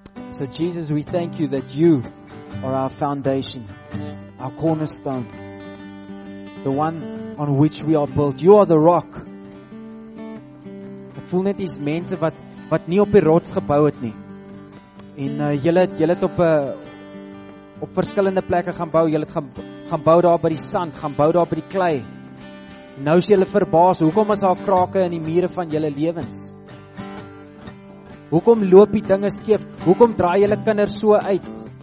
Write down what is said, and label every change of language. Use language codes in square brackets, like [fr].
[en] So Jesus, we thank You that You are our foundation, our cornerstone, the one on which we are built. You are the rock. [af] Ek voel net dis mense wat nie op die rots gebou het nie. En julle het op verskillende plekke gaan bou. Julle het gaan bou daar by die sand, gaan bou daar by die klei. Nou is julle verbaas, hoekom is daar krake in die mure van julle lewens? Hoekom loop die dinge skeef? Hoekom draai julle kinders so uit?